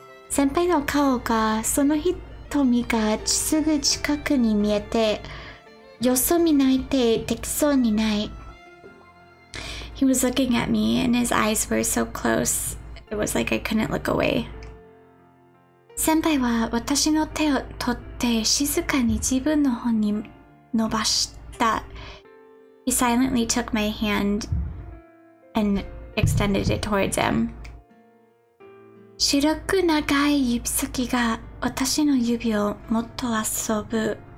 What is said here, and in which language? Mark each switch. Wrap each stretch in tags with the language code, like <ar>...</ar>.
<ja>先輩の顔がその瞳がすぐ近くに見えて、よそ見ないってできそうにない。</ja> <en>He was looking at me and his eyes were so close. It was like I couldn't look away.</en> <ja>先輩は私の手を取って静かに自分の方に伸ばした。</ja> <en>He silently took my hand and extended it towards him.</en> <ja>白く長い指先が私の指をもっと遊ぶ。</ja>